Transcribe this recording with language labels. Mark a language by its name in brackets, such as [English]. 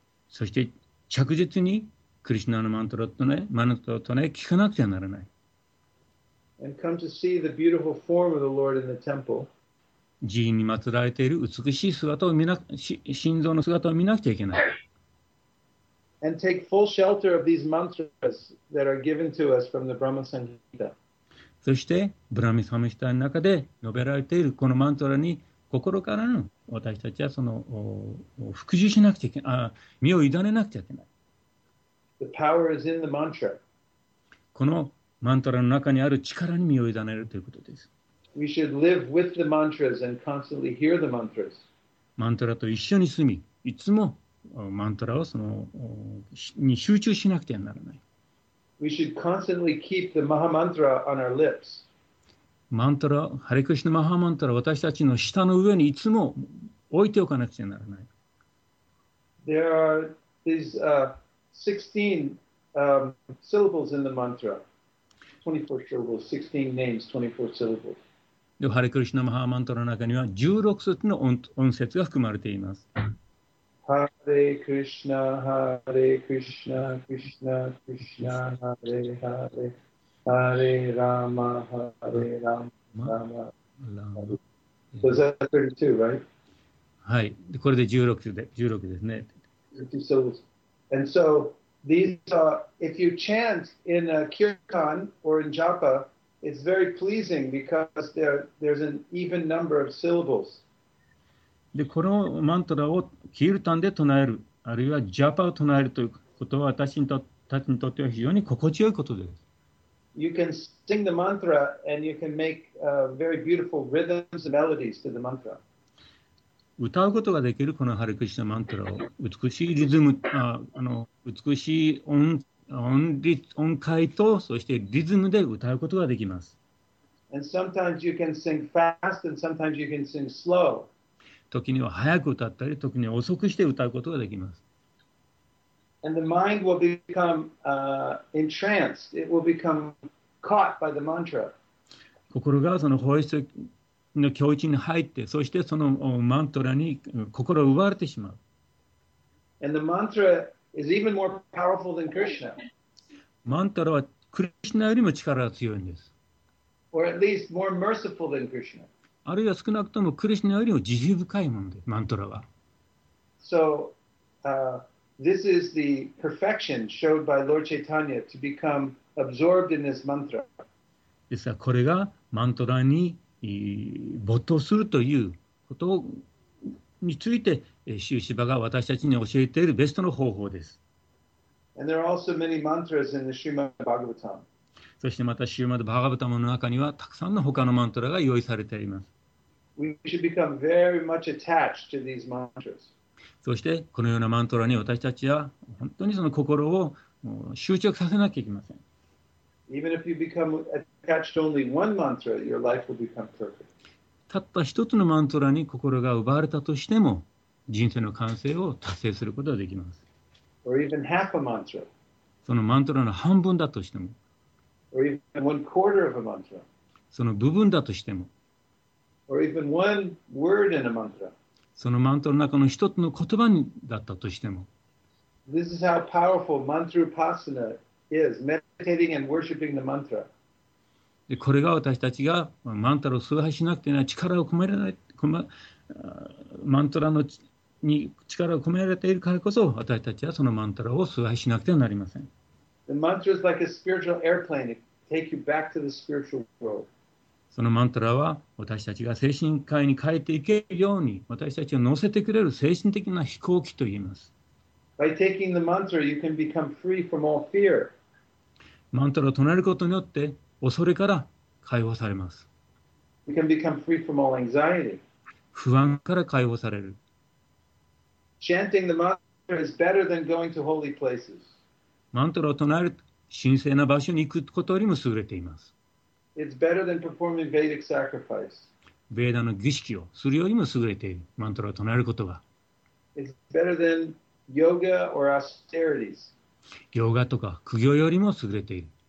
[Japanese] そして着実にクリシナのマントラを唱え聞かなくてはならない。 [English] And come to see the beautiful form of the Lord in the temple. [Japanese] 寺院に祀られている美しい姿を見な心臓の姿を見なくてはいけない。 [English] And take full shelter of these mantras that are given to us from the Brahma Sanghita. [Japanese] そして、ブラミサムヒタの中で述べられているこのマントラに心からの私たちはその服従しなくちゃいけない、身を委ねなくちゃいけない。 [English] The power is in the mantra. [Japanese] このマントラの中にある力に身を委ねるということです。 [English] We should live with the mantras and constantly hear the mantras. [Japanese] マントラと一緒に住み、いつもマントラをそのに集中しなくてはならない。 [English] We should constantly keep the Maha Mantra on our lips. [Japanese] マントラ、ハリクリシナマハマントラ、私たちの舌の上にいつも置いておかなくてはならない。 [English] There are these 16 syllables in the mantra. 24 syllables, 16 names, 24 syllables. [Japanese] で、ハレクリシュナマハーマントラの中には16節の 音節が含まれています。ハレクリシュナ、ハレクリシュナ、クリシュナ、クリシュナ、ハレハレ、ハレラマ、ハレラマ、ラマ、ラマ。 [English] So is that 32, right? [Japanese] はい。で、これで16ですね。 [English] And so, these are, if you chant in a kirtan or in japa,It's very pleasing because there's an even number of syllables. [Japanese] で、このマントラをキルタンで唱える、あるいはジャパを唱えるということは私にとたちにとっては非常に心地よいことです。 [English] You can sing the mantra and you can make very beautiful rhythms and melodies to the mantra. [Japanese] 歌うことができるこのハレクリシュナマントラを美しいリズム、美しい音階とそしてリズムで歌うことができます。 [English] And sometimes you can sing fast and sometimes you can sing slow. [Japanese] 時には早く歌ったり、時には遅くして歌うことができます。 [English] And the mind will become entranced. It will become caught by the mantra. [Japanese] 心がその法律の境地に入って、そしてそのマントラに心を奪われてしまう。 [English] And the mantra is even more powerful than Krishna. [Japanese] マントラはクリシュナよりも力が強いんです。 [English] Or at least more merciful than Krishna. [Japanese] あるいは少なくともクリシュナよりも慈悲深いものです、マントラは。 [English] So, this is the perfection showed by Lord Chaitanya to become absorbed in this mantra. [Japanese] ですが、これがマントラに没頭するということをについて、シューシバが私たちに教えているベストの方法です。 [English] And there are also many mantras in the Srimad Bhagavatam. [Japanese] そしてまた、シューマド・バーガブタムの中には、たくさんの他のマントラが用意されています。 [English] We should become very much attached to these mantras. [Japanese] そして、このようなマントラに私たちは、本当にその心をもう執着させなきゃいけません。 [English] Even if you become attached to only one mantra, your life will become perfect. [Japanese] たった一つのマントラに心が奪われたとしても、人生の完成を達成することができます。 [English] Or even half a mantra. [Japanese] そのマントラの半分だとしても。 [English] Or even one quarter of a mantra. [Japanese] その部分だとしても。 [English] Or even one word in a mantra. [Japanese] そのマントラの中の一つの言葉にだったとしても。 [English] This is how powerful mantra-upasana is, meditating and worshipping the mantra. [Japanese] でこれが私たちがマントラを崇拝しなくていない力を込められマントラのに力を込められているからこそ私たちはそのマントラを崇拝しなくてはなりません。 [English] The mantra is like a spiritual airplane. It takes you back to the spiritual world. [Japanese] そのマントラは私たちが精神界に帰っていけるように私たちを乗せてくれる精神的な飛行機といいます。 [English] By taking the mantra, you can become free from all fear. [Japanese] マントラを唱えることによって恐れから解放されます。 [English] We can become free from all anxiety. [Japanese] 不安から解放される。 [English] Chanting the mantra is better than going to holy places. [Japanese] マントラを唱える神聖な場所に行くことよりも優れています。 [English] It's better than performing Vedic sacrifice. [Japanese] ベーダの儀式をするよりも優れている、マントラを唱えることは。 [English] It's better than yoga or austerities. [Japanese] ヨガとか苦行よりも優れている。